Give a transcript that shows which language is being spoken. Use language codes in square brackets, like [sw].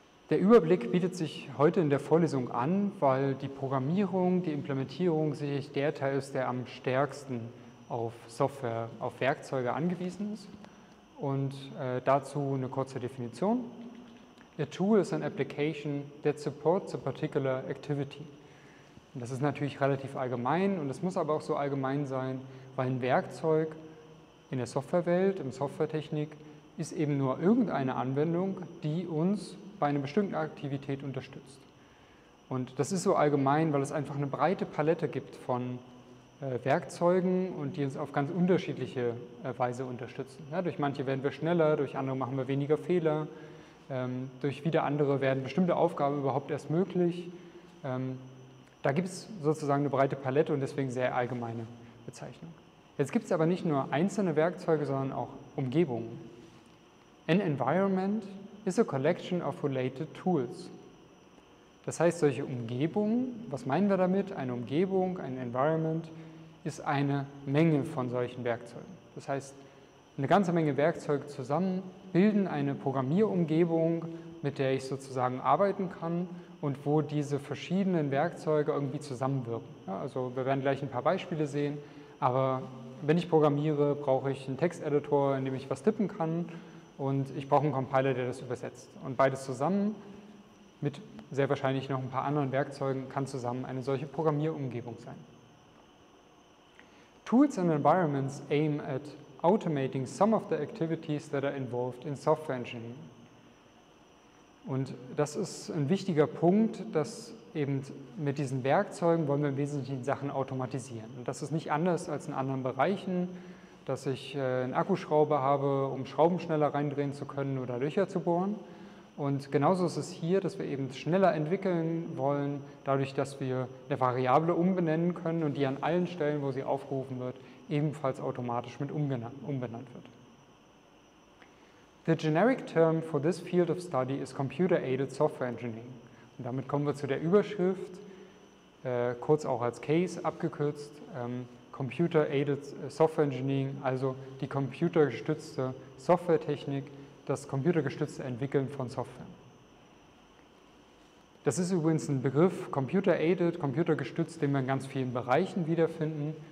[de] Der Überblick bietet sich heute in der Vorlesung an, weil die Programmierung, die Implementierung sicherlich der Teil ist, der am stärksten auf Software, auf Werkzeuge angewiesen ist. Und dazu eine kurze Definition. [en] A tool is an application that supports a particular activity. [de] Und das ist natürlich relativ allgemein und es muss aber auch so allgemein sein, weil ein Werkzeug in der Softwarewelt, in Softwaretechnik, ist eben nur irgendeine Anwendung, die uns bei einer bestimmten Aktivität unterstützt. Und das ist so allgemein, weil es einfach eine breite Palette gibt von Werkzeugen und die uns auf ganz unterschiedliche Weise unterstützen. Ja, durch manche werden wir schneller, durch andere machen wir weniger Fehler, durch wieder andere werden bestimmte Aufgaben überhaupt erst möglich. Da gibt es sozusagen eine breite Palette und deswegen sehr allgemeine Bezeichnung. Jetzt gibt es aber nicht nur einzelne Werkzeuge, sondern auch Umgebungen. [en] An environment is a collection of related tools. [de] Das heißt, solche Umgebungen, was meinen wir damit? Eine Umgebung, ein Environment, ist eine Menge von solchen Werkzeugen. Das heißt, eine ganze Menge Werkzeuge zusammen bilden eine Programmierumgebung, mit der ich sozusagen arbeiten kann und wo diese verschiedenen Werkzeuge irgendwie zusammenwirken. Ja, also wir werden gleich ein paar Beispiele sehen, aber wenn ich programmiere, brauche ich einen Texteditor, in dem ich was tippen kann und ich brauche einen Compiler, der das übersetzt. Und beides zusammen mit sehr wahrscheinlich noch ein paar anderen Werkzeugen kann zusammen eine solche Programmierumgebung sein. [en] Tools and environments aim at automating some of the activities that are involved in software engineering. [de] Und das ist ein wichtiger Punkt, dass eben mit diesen Werkzeugen wollen wir im Wesentlichen Sachen automatisieren. Und das ist nicht anders als in anderen Bereichen, dass ich einen Akkuschrauber habe, um Schrauben schneller reindrehen zu können oder Löcher zu bohren. Und genauso ist es hier, dass wir eben schneller entwickeln wollen, dadurch, dass wir eine Variable umbenennen können und die an allen Stellen, wo sie aufgerufen wird, ebenfalls automatisch mit umbenannt wird. [en] The generic term for this field of study is computer-aided software engineering. [de] Und damit kommen wir zu der Überschrift, kurz auch als CASE abgekürzt, computer-aided software engineering, also die computergestützte Softwaretechnik, das computergestützte Entwickeln von Software. Das ist übrigens ein Begriff, computer-aided, computergestützt, den wir in ganz vielen Bereichen wiederfinden.